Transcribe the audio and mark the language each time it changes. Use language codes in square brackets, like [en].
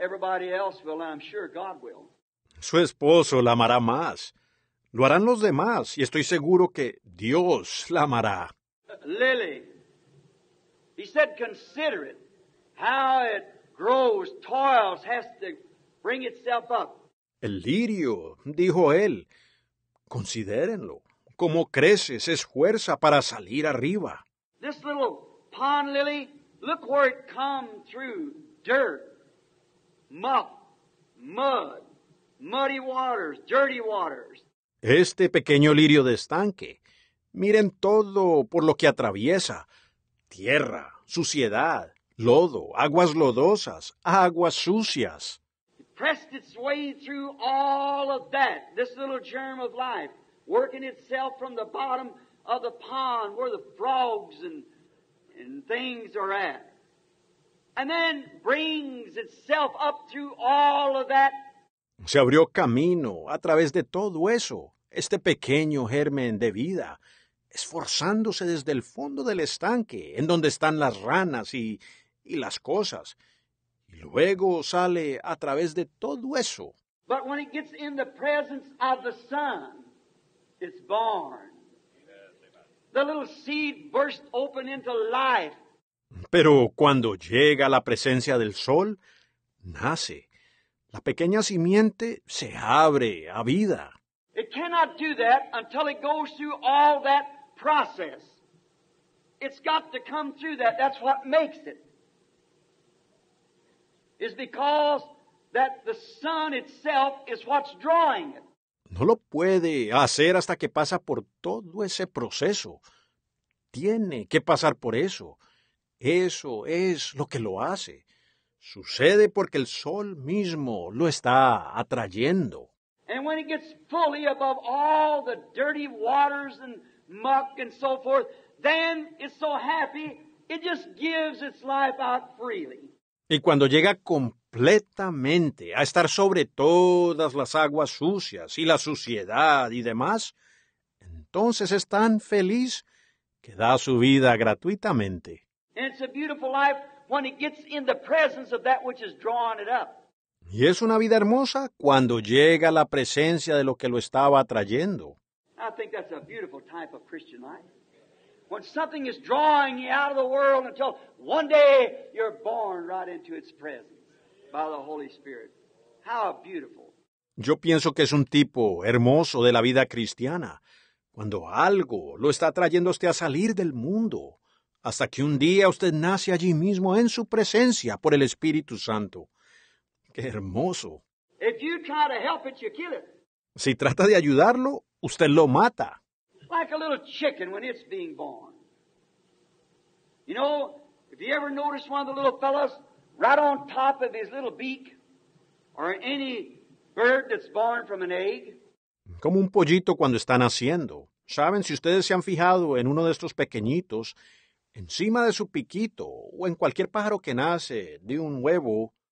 [en] Everybody else will, and I'm sure God will. [es] Su esposo la amará más. Lo harán los demás, y estoy seguro que Dios la amará. [en] Lily. He said, consider it, how it grows, toils, has to bring itself up. [es] El lirio, dijo él, considérenlo, cómo crece, se esfuerza para salir arriba. [en] This little pond lily, look where it come through, dirt, muck, mud, muddy waters, dirty waters. [es] Este pequeño lirio de estanque, miren todo por lo que atraviesa, tierra. Suciedad, lodo, aguas lodosas, aguas sucias. [en] It pressed its way through all of that, this little germ of life, working itself from the bottom of the pond where the frogs and things are at. And then brings itself up through all of that. [es] Se abrió camino a través de todo eso, este pequeño germen de vida, esforzándose desde el fondo del estanque, en donde están las ranas y las cosas. Y luego sale a través de todo eso. [en] But when it gets in the presence of the sun, it's born. The little seed bursts open into life. [es] Pero cuando llega la presencia del sol, nace. La pequeña simiente se abre a vida. [en] It cannot do that until it goes through all that process. It's got to come through that. That's what makes it. It's because that the sun itself is what's drawing it. [es] No lo puede hacer hasta que pasa por todo ese proceso. Tiene que pasar por eso. Eso es lo que lo hace. Sucede porque el sol mismo lo está atrayendo. [en] And when it gets fully above all the dirty waters and muck and so forth, then it's so happy, it just gives its life out freely. [es] Y cuando llega completamente a estar sobre todas las aguas sucias y la suciedad y demás, entonces es tan feliz que da su vida gratuitamente. [en] And it's a beautiful life when it gets in the presence of that which is drawing it up. [es] Y es una vida hermosa cuando llega la presencia de lo que lo estaba atrayendo. [en] I think that's a beautiful type of Christian life. When something is drawing you out of the world until one day you're born right into its presence by the Holy Spirit. How beautiful. [es] Yo pienso que es un tipo hermoso de la vida cristiana. Cuando algo lo está trayendo usted a salir del mundo, hasta que un día usted nace allí mismo en su presencia por el Espíritu Santo. Qué hermoso. [en] If you try to help it, you kill it. [es] Si trata de ayudarlo, usted lo mata. [en] Like a little chicken when it's being born. You know, if you ever notice one of the little fellas right on top of his little beak, or any bird that's born from an egg. [es] Como un pollito cuando está naciendo. ¿Saben? Si ustedes se han fijado en uno de estos pequeñitos, encima de su piquito, o en cualquier pájaro que nace de un huevo.